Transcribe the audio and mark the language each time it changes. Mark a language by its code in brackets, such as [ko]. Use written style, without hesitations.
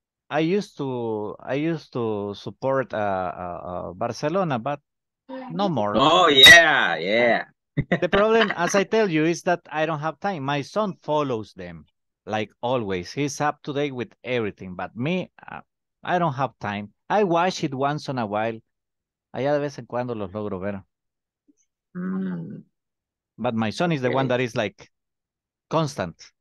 [en] I used to support Barcelona, but no more. Oh yeah, yeah. The problem, as I tell you, is that I don't have time. My son follows them like always. He's up to date with everything, but me, I don't have time. I watch it once in a while. [es] Allá de vez en cuando los logro ver. [en] But my son is the one that is like constant.